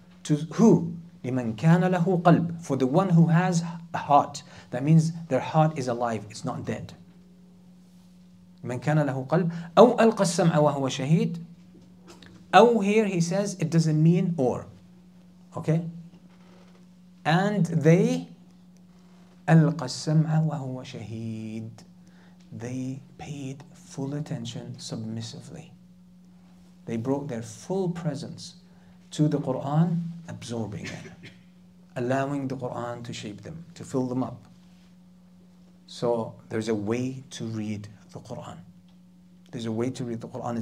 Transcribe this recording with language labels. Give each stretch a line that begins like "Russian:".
English: To who?
Arabic: لِمَنْ كَانَ لَهُ قَلْبٌ.
English: For the one who has a heart. That means their heart is alive, it's not dead.
Arabic: لِمَنْ كَانَ لَهُ قَلْبٌ. أَوْ أَلْقَى السَّمْعَ وَهُوَ شَهِيدٌ.
English: أَوْ, here he says, it doesn't mean or. Okay? And they,
Arabic: أَلْقَى السَّمْعَ وَهُوَ شَهِيدٌ.
English: They paid full attention, submissively. They brought their full presence to the Qur'an, absorbing it, allowing the Qur'an to shape them, to fill them up. So there's a way to read the Qur'an. There's a way to read the Qur'an.